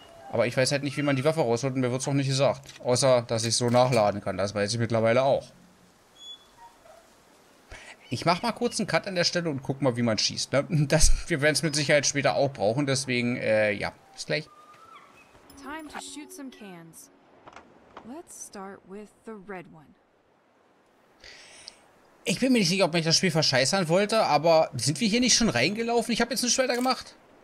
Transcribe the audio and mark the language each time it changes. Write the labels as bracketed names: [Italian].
[German] Aber ich weiß halt nicht, wie man die Waffe rausholt und mir wird es auch nicht gesagt. Außer, dass ich so nachladen kann. Das weiß ich mittlerweile auch. Ich mach mal kurz einen Cut an der Stelle und guck mal, wie man schießt. Ne? Das, wir werden es mit Sicherheit später auch brauchen, deswegen, ja, bis gleich. [English] Time to shoot some cans. Let's start with the red one. [German] Ich bin mir nicht sicher, ob ich das Spiel verscheißern wollte, aber sind wir hier nicht schon reingelaufen? Ich habe jetzt einen Schwelter gemacht.